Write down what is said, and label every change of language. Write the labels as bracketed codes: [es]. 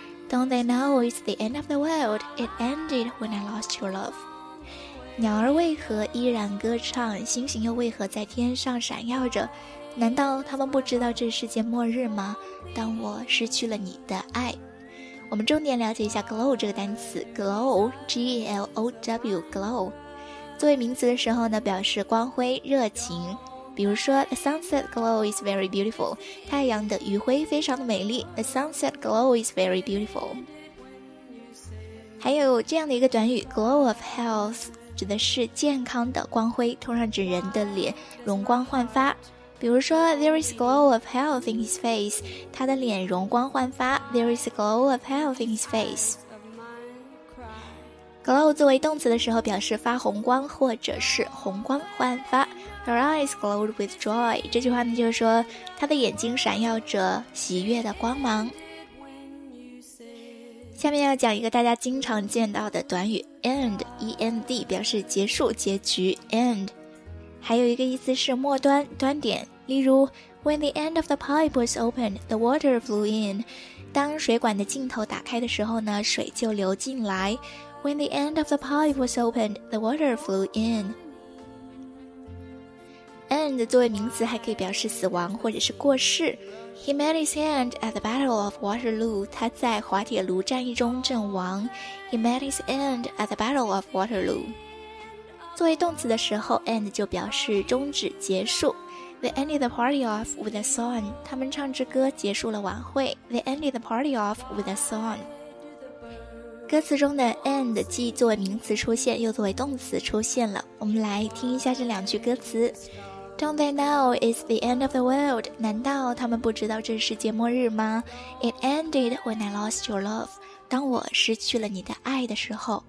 [en] Don't they know it's the end of the world? It ended when I lost your love. [zh] 鸟儿为何依然歌唱？星星又为何在天上闪耀着？难道他们不知道这世界末日吗？当我失去了你的爱。我们重点了解一下 glow 这个单词， glow, G-L-O-W, glow. 作为名词的时候呢，表示光辉、热情。比如说 [en] The sunset glow is very beautiful， [zh] 太阳的余晖非常的美丽。 [en] The sunset glow is very beautiful。 [zh] 还有这样的一个短语 glow of health， 指的是健康的光辉，通常指人的脸容光焕发。比如说 [en] There is glow of health in his face， [zh] 他的脸容光焕发。 [en] There is a glow of health in his face。 [zh] glow 作为动词的时候表示发红光或者是红光焕发。 [en] Her eyes glowed with joy， [zh] 这句话呢就是说她的眼睛闪耀着喜悦的光芒。下面要讲一个大家经常见到的短语 end， E-N-D 表示结束、结局 end。还有一个意思是末端、端点，例如 [en] When the end of the pipe was opened, the water flew in， [zh] 当水管的尽头打开的时候呢水就流进来。 [en] When the end of the pipe was opened, the water flew inEnd [zh] 作为名词还可以表示死亡或者是过世。 [en] He met his end at the Battle of Waterloo， [zh] 他在滑铁卢战役中阵亡。 [en] He met his end at the Battle of Waterloo。 [zh] 作为动词的时候 end 就表示终止、结束。 [en] They ended the party off with a song， [zh] 他们唱支歌结束了晚会。 [en] They ended the party off with a song。 [zh] 歌词中的 and 既作为名词出现，又作为动词出现了。我们来听一下这两句歌词。 [en] Don't they know it's the end of the world? [zh] 难道他们不知道这是世界末日吗？ [en] It ended when I lost your love. [zh] 当我失去了你的爱的时候。